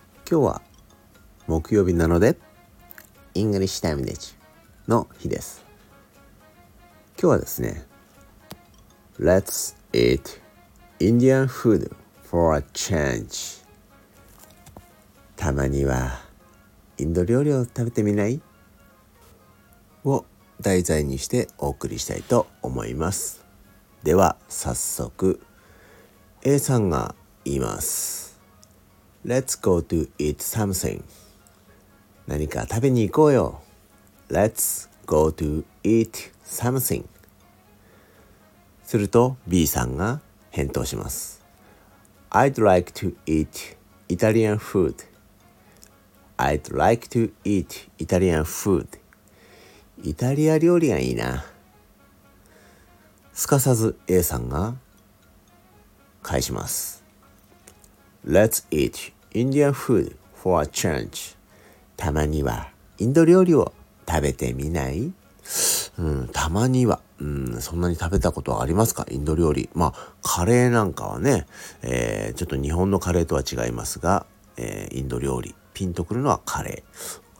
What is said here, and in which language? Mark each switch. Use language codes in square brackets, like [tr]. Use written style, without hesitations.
[ja] 今日は木曜日なのでイングリッシュタイムデジの日です。今日はですね、 [en] Let's eat Indian food for a change。 [ja] たまにはインド料理を食べてみないを題材にしてお送りしたいと思います。では早速 A さんが言います。 [en] Let's go to eat something。 [ja] 何か食べに行こうよ。 [en] Let's go to eat something。 [ja] すると B さんが返答します。 [en] I'd like to eat Italian food。 I'd like to eat Italian food。 [ja] イタリア料理がいいな。すかさず A さんが返します。 [en] Let's eat Indian food for a change。 [ja] たまにはインド料理を食べてみない？たまには、そんなに食べたことはありますか？インド料理。まあカレーなんかはね、ちょっと日本のカレーとは違いますが、インド料理ピンとくるのはカレー。